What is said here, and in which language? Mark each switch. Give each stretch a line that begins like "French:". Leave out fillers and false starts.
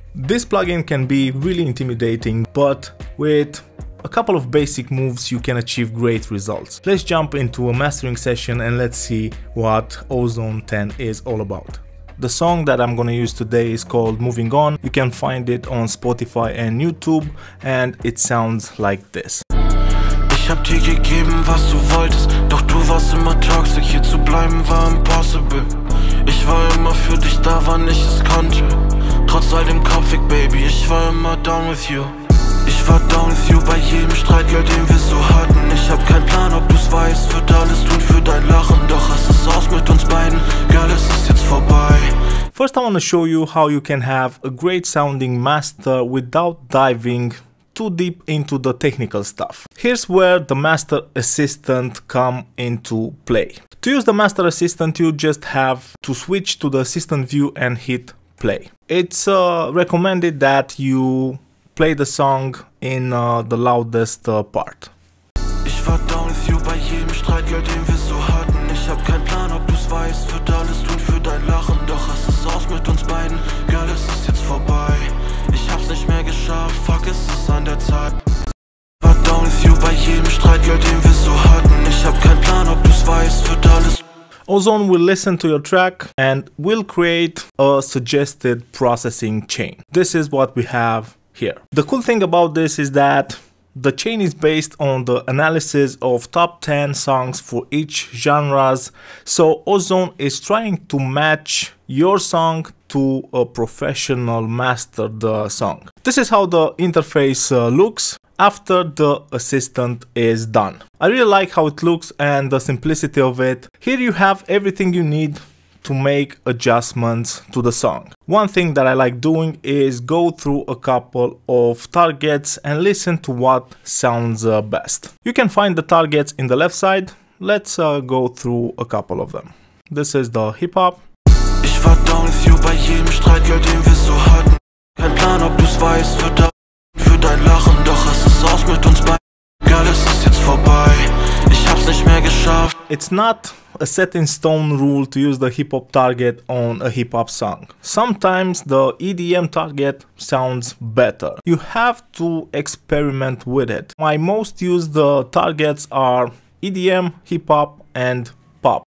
English: This plugin can be really intimidating, but with a couple of basic moves you can achieve great results. Let's jump into a mastering session and let's see what Ozone 10 is all about. The song that I'm gonna use today is called Moving On. You can find it on Spotify and YouTube, and it sounds like this.
German: Ich hab dir gegeben, was du wolltest, doch du warst immer toxic, hier zu bleiben war
English: impossible.
German: Ich war immer für dich da, wann ich es konnte. Trotz all dem Konflikt, Baby, ich war immer
English: down with you.
German: Ich war
English: down with you
German: bei jedem Streit, Girl, den wir so hatten. Ich hab keinen Plan, ob du's weißt, wird alles tun für dein Lachen. Doch es ist aus mit uns beiden, Girl, es ist jetzt vorbei.
English: First, I want to show you how you can have a great sounding master without diving too deep into the technical stuff. Here's where the master assistant come into play. To use the master assistant, you just have to switch to the assistant view and hit play. It's recommended that you play the song in the loudest part.
German: Ich war
English: down with you
German: bei jedem Streit, Girl, den wir so hatten. Ich hab keinen Plan, ob du's weißt, wird alles tun für dein Lachen. Doch es ist aus mit uns beiden, Girl, es ist jetzt vorbei. Ich hab's nicht mehr geschafft, fuck, es ist an der Zeit. Ich war
English: down with you
German: bei jedem Streit, Girl, den wir so hatten. Ich hab keinen Plan, ob du's weißt, wird alles.
English: Ozone will listen to your track and will create a suggested processing chain. This is what we have here. The cool thing about this is that the chain is based on the analysis of top 10 songs for each genres. So Ozone is trying to match your song to a professional master the song. This is how the interface looks after the assistant is done. I really like how it looks and the simplicity of it. Here you have everything you need to make adjustments to the song. One thing that I like doing is go through a couple of targets and listen to what sounds best. You can find the targets in the left side. Let's go through a couple of them. This is the hip hop.
German: Ich war
English: down with you
German: bei jedem Streit, Girl, den wir so hatten. Kein Plan, ob du's weißt, wird da für dein Lachen. Doch es ist aus mit uns beiden, Girl, es ist jetzt vorbei. Ich hab's nicht mehr geschafft.
English: It's not a set in stone rule to use the hip hop target on a hip hop song. Sometimes the EDM target sounds better. You have to experiment with it. My most used targets are EDM, hip hop, and pop.